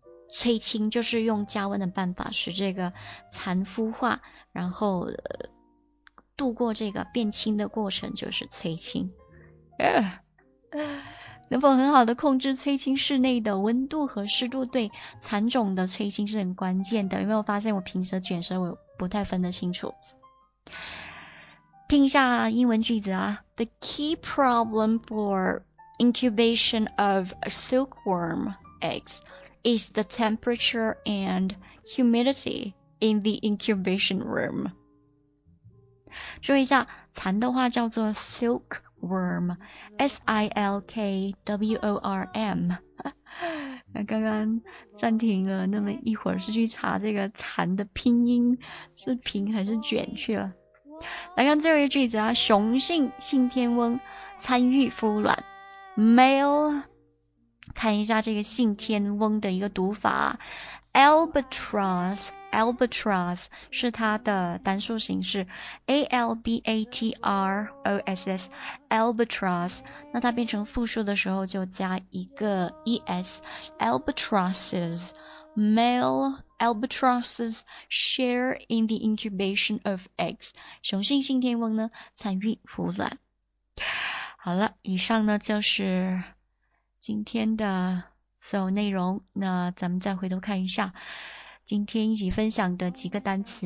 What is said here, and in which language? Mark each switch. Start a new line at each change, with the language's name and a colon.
Chinese: 催青，就是用加温的办法使这个蚕孵化，然后度过这个变青的过程就是催青。能否很好的控制催青室内的温度和湿度，对蚕种的催青是很关键的。有没有发现我平时卷舌我不太分得清楚？听一下英文句子啊。
English: The key problem for incubation of silkworm eggs is the temperature and humidity in the incubation room.
Chinese: 注意一下，蚕的话叫做 silkworm, S-I-L-K-W-O-R-M。那刚刚暂停了那么一会儿，是去查这个蚕的拼音是平还是卷去了。来看最后一句子啊，雄性性天翁参与孵卵 ，male， 看一下这个性天翁的一个读法 ，albatross 是它的单数形式 ，a l b a t r o s s albatross， 那它变成复数的时候就加一个 e s， albatrosses。
English: Male albatrosses share in the incubation of eggs.
Chinese: 雄性信天翁呢，参与孵卵。好了，以上呢就是今天的所有内容。那咱们再回头看一下今天一起分享的几个单词。